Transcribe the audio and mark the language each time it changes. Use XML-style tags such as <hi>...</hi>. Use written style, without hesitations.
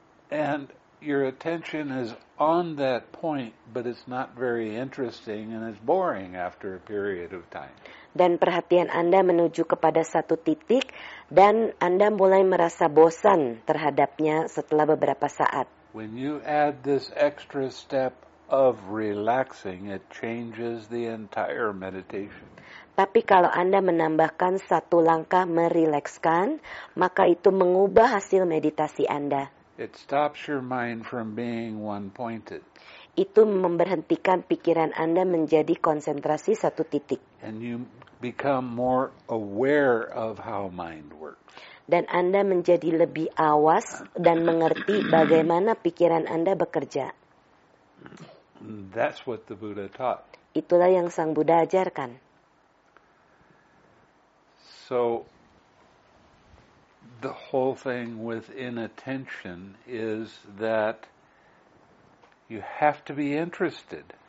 <en>And your attention is on that point, but it's not very interesting and it's boring after a period of time.</en> <id>Dan perhatian Anda menuju kepada satu titik dan Anda mulai merasa bosan terhadapnya setelah beberapa saat.</id> <en>When you add this extra step of relaxing, it changes the entire meditation.</en> <id>Tapi kalau Anda menambahkan satu langkah merilekskan, maka itu mengubah hasil meditasi Anda.</id> <en>It stops your mind from being one-pointed.</en> <id>Itu memberhentikan pikiran Anda menjadi konsentrasi satu titik.</id> <en>And you become more aware of how mind works.</en> <id>Dan Anda menjadi lebih awas dan mengerti bagaimana pikiran Anda bekerja.</id> <en>That's what the Buddha taught.</en> <id>Itulah yang Sang Buddha ajarkan.</id> <en>So, the whole thing with inattention is that you have to be interested.</en>